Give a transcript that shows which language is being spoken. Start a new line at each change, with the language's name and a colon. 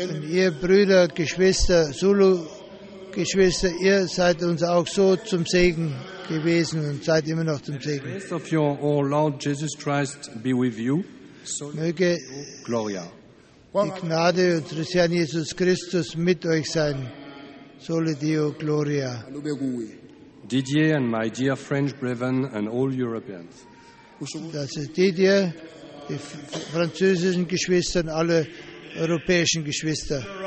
German: Ihr Brüder, Geschwister, Zulu Geschwister, ihr seid uns auch so zum Segen gewesen und seid immer noch zum Segen.
English: The grace of your Lord Jesus Christ be with you.
German: So möge
Latin: Gloria.
German: Die Gnade unseres Herrn Jesus Christus mit euch sein.
Latin: Sole Deo Gloria.
English: Didier and my dear French brethren and all Europeans.
German: Das ist Didier, die französischen Geschwister und alle europäischen Geschwister.